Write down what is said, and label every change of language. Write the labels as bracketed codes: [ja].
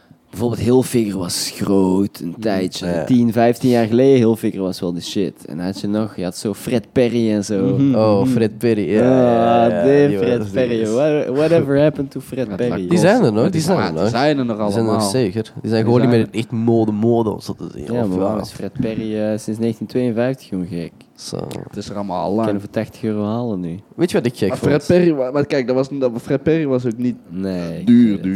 [nl] bijvoorbeeld Hilfiger was groot een tijdje. 10, 15 jaar geleden Hilfiger was wel de shit. En had je nog, je had zo Fred Perry en zo. [en] Oh, Fred Perry. Yeah. Fred Perry. Whatever happened to Fred Perry? [nl] Die zijn er nog. Die zijn er nog allemaal. Die zijn er zeker. Die zijn gewoon niet meer echt mode, om zo te zeggen. Ja, maar waarom is Fred Perry sinds 1952 gewoon gek? [en] So. [nl] Het is er allemaal al lang. Kunnen we voor 80 euro halen nu. Weet je wat ik gek vond? Fred Perry, maar kijk, Fred Perry was ook niet duur.